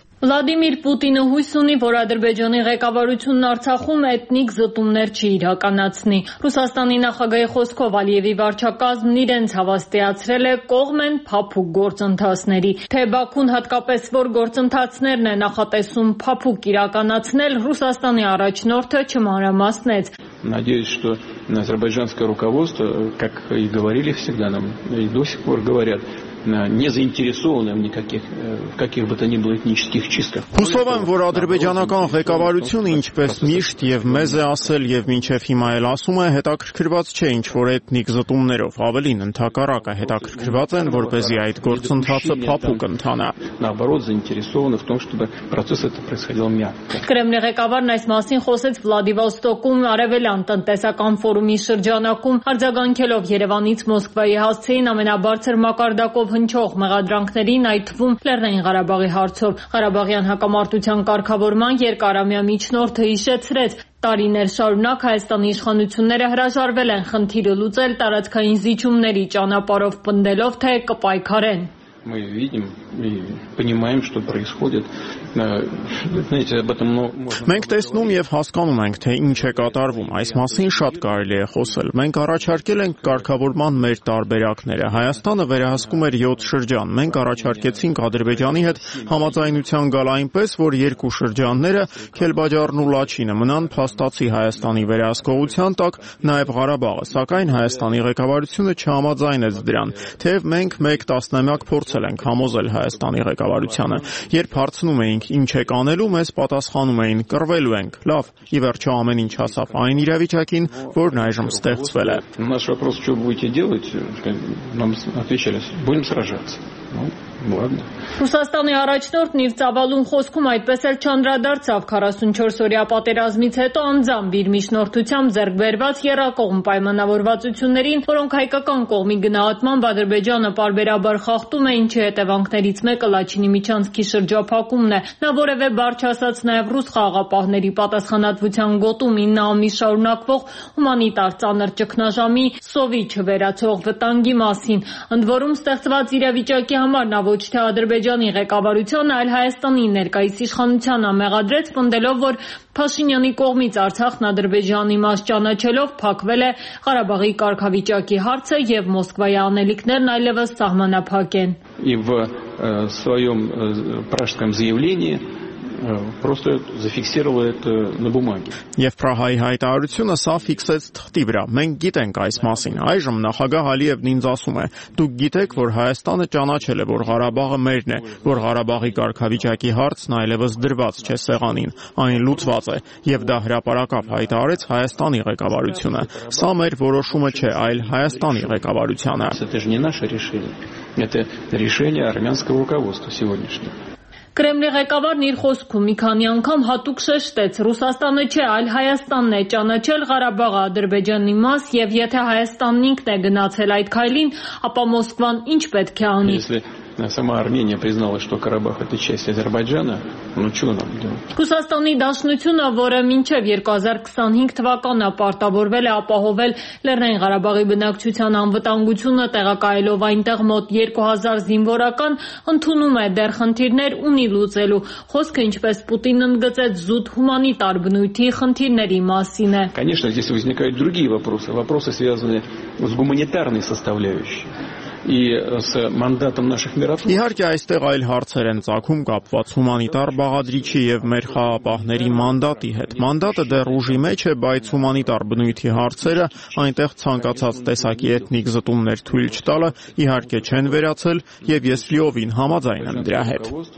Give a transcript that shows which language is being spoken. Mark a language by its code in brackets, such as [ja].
[hy] Վլադիմիր Պուտինը հույս ունի, որ Ադրբեջանի ղեկավարությունն Արցախում էթնիկ զտումներ չի իրականացնի։ Ռուսաստանի նախագահի խոսքով Ալիևի վարչակազմն իրենց հավաստիացրել է կողմեն փափուկ գործընթացների, թե Բաքուն հատկապես որ գործընթացներն է նախատեսում փափուկ իրականացնել, Ռուսաստանի առաջնորդը չմանրամասնեց։ [ru] Надеюсь, что азербайджанское руководство, как и говорили всегда нам, и до сих пор говорят, не заинтересованы в никаких каких бы то ни было этнических чистках. Хусов вам, [hy] որ ադրբեջանական ղեկավարությունը ինչպես միշտ եւ մեզ է ասել եւ մինչեւ հիմա էլ ասում է, հետաքրքրված չէ ինչ որ էթնիկ զտումներով, ավելին ընդհակառակը հետաքրքրված են, որպեսզի այդ գործընթացը փափուկ ընթանա։ [ru] Наоборот, заинтересованы в том, чтобы процесс этот происходил мягко. [hy] Կրեմլի ղեկավարն այս մասին խոսեց Վլադիվոստոկում արևելյան տնտեսական ֆորումի շրջանակում, արձագանքելով Երևանից Մոսկվայի հասցեին ամենաբարձր մակարդակ հնչող մեղադրանքներին, այդ թվում Լեռնային Ղարաբաղի հարցով։ Ղարաբաղյան հակամարտության կարգավորման երկարամյա միջնորդը հիշեցրեց, տարիներ շարունակ Հայաստանի իշխանությունները հրաժարվել են խնդիրը լուծել տարածքային զիջումների ճանապարհով, պնդելով, թե կպայքարեն։ [ru] Мы видим и понимаем, что происходит. Знаете, об этом можно. [hy] Մենք տեսնում եւ հասկանում ենք, թե ինչ է կատարվում։ Այս մասին շատ կարելի է խոսել։ Մենք առաջարկել ենք կարգավորման մեր տարբերակները։ Հայաստանը վերահսկում էր 7 շրջան։ Մենք առաջարկեցինք Ադրբեջանի հետ համաձայնության գալ այնպես, որ երկու շրջանները՝ Քելբաջարն ու Լաչինը, մնան փաստացի Հայաստանի վերահսկողության տակ, նաեւ Ղարաբաղը, սակայն Հայաստանի ղեկավարությունը չհամաձայնեց դրան։ Թեև մենք 1-10 փորձել ենք համոզել Հայաստանի ղեկավարությանը, երբ հարցնում էինք, ինչ եք անելու, մեզ պատասխանում էին, կռվելու ենք, լավ, ի վերջո ամեն ինչ հասավ այն իրավիճակին, որ այժմ ստեղծվել է։ [ru] Наш вопрос, что будете делать, нам отвечали, будем сражаться. [hy] Ռուսաստանի առաջնորդն իր ծավալուն խոսքում այդպես էլ չանդրադարձավ 44 օրյա պատերազմից հետո անձամբ իր միջնորդությամբ ձեռք բերված երրակողմ պայմանավորվածություններին, որոնք հայկական կողմի գնահատմամբ Ադրբեջանը պարբերաբար խախտում է, ինչի հետևանքներից մեկը Լաչինի միջանցքի շրջափակումն է։ Նա որևէ բարձր ասած նաև ռուս խաղապահների պատասխանատվության գոտում 9 ամիս շարունակվող հումանիտար ծանր ճգնաժամի սովի չվերացող վտանգի մասին, ընդ որում ստեղծված իրավիճակի համար նա ոչ թե Ադրբեջանի ղեկավարությանը, այլ Հայաստանի ներկայիս իշխանությանը մեղադրեց, պնդելով, որ Փաշինյանի կողմից Արցախն Ադրբեջանի մաս ճանաչելով փակվել է Ղարաբաղի կարգավիճակի հարցը եւ Մոսկվայի անելիքներն այլևս սահմանափակ են։ [ru] И в своём пражском заявлении просто зафиксировал это на бумаге. [hy] Եվ Պրահայի հայտարարությունը սա ֆիքսեց թղթի վրա։ Մենք գիտենք այս մասին։ Այժմ նախագահ Ալիևն ինձ ասում է. Դուք գիտեք, որ Հայաստանը ճանաչել է, որ Ղարաբաղը մերն է, որ Ղարաբաղի կարգավիճակի հարցն այլևս դրված չէ սեղանին, այն լուծված է, եւ դա հրապարակապ հայտարարեց Հայաստանի ղեկավարությունը։ Սա մեր որոշումը չէ, այլ Հայաստանի ղեկավարությունը։ [ru] Это решение армянского руководства сегодняшнего. [hy] Կրեմլի ղեկավարն իր խոսքում մի քանի անգամ հատուկ շեշտեց. Ռուսաստանը չէ, այլ Հայաստանն է ճանաչել Ղարաբաղը Ադրբեջանի մաս, եւ եթե Հայաստանն ինքն է գնացել այդ քայլին, ապա Մոսկվան ինչ պետք է անի։ [ru] Сама Армения признала, что Карабах это часть Азербайджана. Ну что нам делать? [hy] Ռուսաստանի Դաշնությունը, որը մինչև 2025 թվականը պարտավորվել է ապահովել Լեռնային Ղարաբաղի բնակչության անվտանգությունը տեղակայելով այնտեղ մոտ 2000 զինվորական, ընդունում է դեռ խնդիրներ ունի լուծելու։ Խոսքը ինչպես Պուտինն ընդգծեց, զուտ հումանիտար բնույթի խնդիրների մասին է։ [ru] Конечно, здесь возникают другие вопросы, вопросы, связанные с гуманитарной составляющей. [hy] Իհարկե այստեղ այլ հարցեր են ծագում կապված հումանիտար բաղադրիչի եւ մեր խաղապահների մանդատի հետ։ Մանդատը դեռ ուժի մեջ է, բայց հումանիտար բնույթի հարցերը, այնտեղ ցանկացած տեսակի էթնիկ զտումներ թույլ չտալը, իհարկե չեն վերացել, եւ ես լիովին համաձայն եմ դրա հետ։